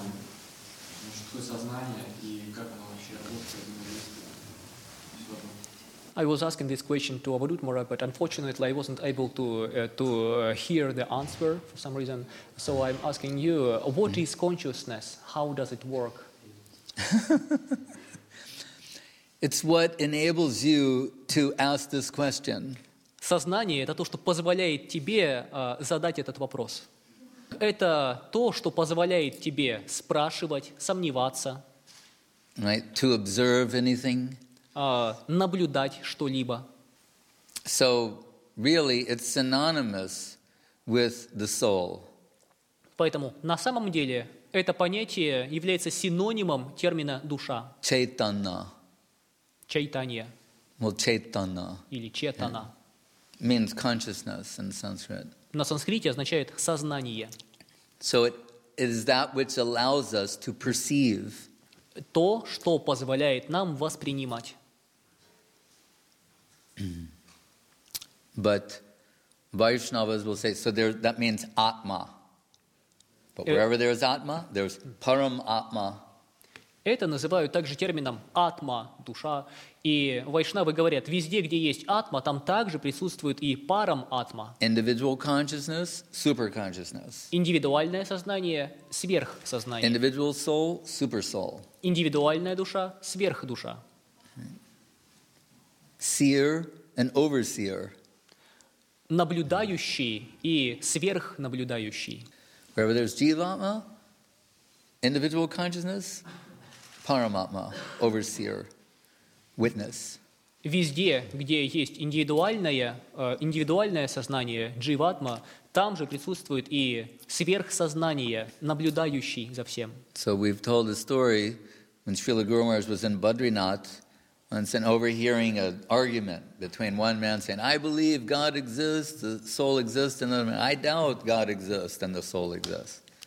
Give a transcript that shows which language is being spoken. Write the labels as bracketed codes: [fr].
[ru] Ну, что такое сознание и как оно вообще работает на действие? [en] I was asking this question to Avadhut Maharaj, but unfortunately I wasn't able to hear the answer for some reason. So I'm asking you, what is consciousness? How does it work? It's what enables you to ask this question. [ru] Сознание — это то, что позволяет тебе задать этот вопрос. Это то, что позволяет тебе спрашивать, сомневаться. [en] Right, to observe anything. [ru] Наблюдать что-либо. [en] So, really, it's synonymous with the soul. [ru] Поэтому на самом деле это понятие является синонимом термина душа. [sa] Чайтана. Чайтанья. [en] Well, чайтана. [ru] Или четана. [en] Yeah. Means consciousness in Sanskrit. [ru] На санскрите означает сознание. [en] So it is that which allows us to perceive. [ru] То, что позволяет нам воспринимать. [en] But Vaishnavas will say, so there, that means Atma. But wherever there is Atma, there is Param Atma. [ru] Это называют также термином Атма, душа. И Вайшнавы говорят, везде, где есть Атма, там также присутствует и Парам Атма. [en] Individual consciousness, super consciousness. [ru] Индивидуальное сознание, сверхсознание. [en] Individual soul, super soul. [ru] Индивидуальная душа, сверхдуша. [en] Seer and overseer. [ru] Наблюдающий и сверхнаблюдающий. [en] Wherever there's Jivatma, individual consciousness, Paramatma, overseer, witness. [ru] Везде, где есть индивидуальное сознание, Jivatma, там же присутствует и сверхсознание, наблюдающий за всем. [en] So we've told the story when Srila Guru Maharaj was in Badrinath, and then overhearing an argument between one man saying, I believe God exists, the soul exists, and another man, I doubt God exists, and the soul exists.